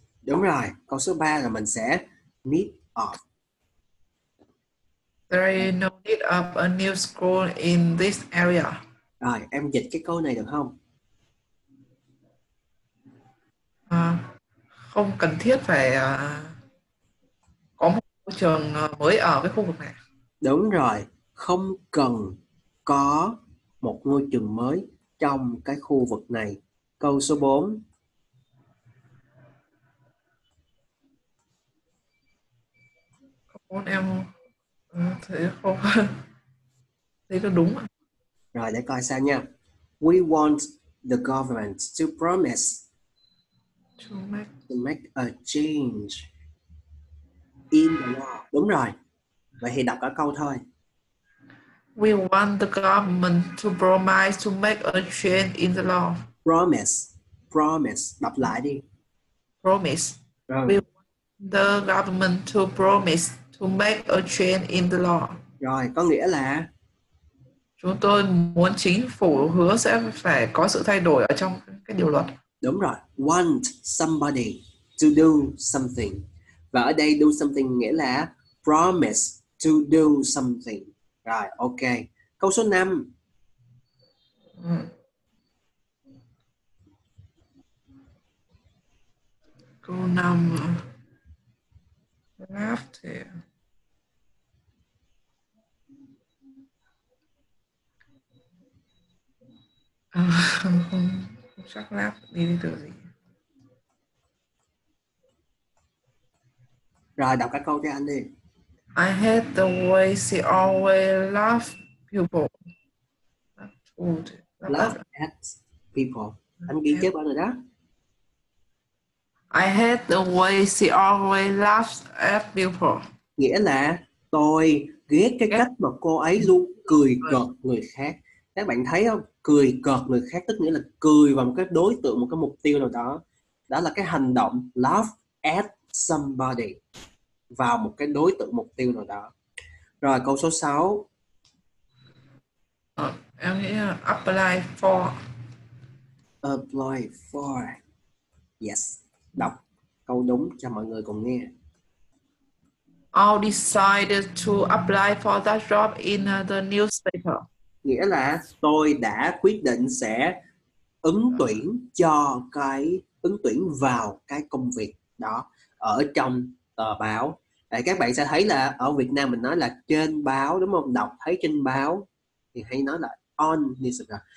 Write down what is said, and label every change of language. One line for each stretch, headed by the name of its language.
Vietnamese: Đúng rồi, câu số 3 là mình sẽ need of.
English: There is no need of a new school in this area.
Vietnamese: Rồi, em dịch cái câu này được không? Không cần thiết phải có một trường mới ở cái khu vực này. Đúng rồi, không cần có một ngôi trường mới trong cái khu vực này. Câu số 4. Con em thấy không? Thấy nó đúng ạ. Rồi, để coi sao nha.
English: We want the government to promise to make a change in the law.
Vietnamese: Đúng rồi. Vậy thì đọc cả câu thôi.
English: We want the government to promise to make a change in the law. Promise. Promise.
Vietnamese: Đọc lại đi.
English: Promise.
Vietnamese: Rồi.
English: We want the government to promise to make a change in the law.
Vietnamese: Rồi, có nghĩa là chúng tôi muốn chính phủ hứa sẽ phải có sự thay đổi ở trong cái điều luật. Đúng rồi.
English: Want somebody to do something.
Vietnamese: Và ở đây
English: do something
Vietnamese: nghĩa là
English: promise to do something.
Vietnamese: Rồi, ok. Câu số 5. Câu 5.
English: Left here.
Vietnamese: Không chắc lắm đi từ gì. Rồi đọc các câu cho anh đi.
English: I hate the way she always laugh people. Laugh at people.
Vietnamese: Anh ghi chép ở rồi đó.
English: I hate the way she always laughs at people.
Vietnamese: Nghĩa là tôi ghét cái cách mà cô ấy luôn cười cợt người khác. Các bạn thấy không? Cười cợt người khác tức nghĩa là cười vào một cái đối tượng, một cái mục tiêu nào đó. Đó là cái hành động
English: laugh at somebody
Vietnamese: vào một cái đối tượng mục tiêu nào đó. Rồi câu số 6. Em nghĩ là
English: apply for. Apply for. Yes.
Vietnamese: Đọc câu đúng cho mọi người cùng nghe.
English: I'll decide to apply for that job in the newspaper.
Vietnamese: Nghĩa là tôi đã quyết định sẽ ứng tuyển cho cái, ứng tuyển vào cái công việc đó ở trong tờ báo. À, các bạn sẽ thấy là ở Việt Nam mình nói là trên báo, đúng không? Đọc thấy trên báo thì hay nói là
English: on newspaper.